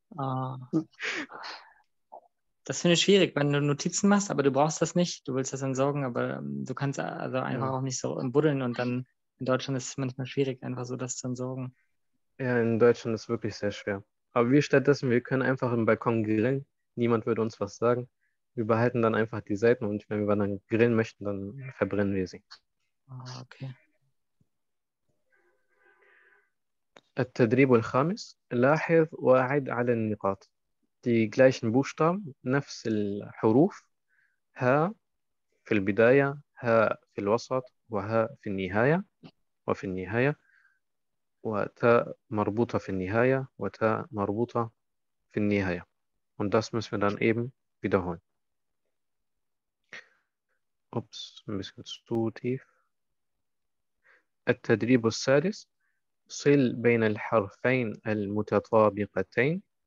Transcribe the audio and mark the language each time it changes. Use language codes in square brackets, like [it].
[de] Das finde ich schwierig, wenn du Notizen machst, aber du brauchst das nicht, du willst das entsorgen, aber du kannst also einfach auch nicht so buddeln und dann in Deutschland ist es manchmal schwierig, einfach so das zu entsorgen. Ja, in Deutschland ist es wirklich sehr schwer. Aber wir stattdessen, wir können einfach im Balkon grillen, niemand würde uns was sagen. Wir behalten dann einfach die Seiten und wenn wir dann grillen möchten, dann verbrennen wir sie. Okay. [ar] التدريب الخامس لاحظ وأعد على النقاط دي [de] gleichen Buchstaben [ar] نفس الحروف ها في البداية ها في الوسط وها في النهاية وفي النهاية وتا مربوطة في النهاية وتا مربوطة في النهاية [de] und das müssen wir dann eben wiederholen. Ups, ein bisschen zu tief. [ar] التدريب السادس صل بين الحرفين المتطابقتين.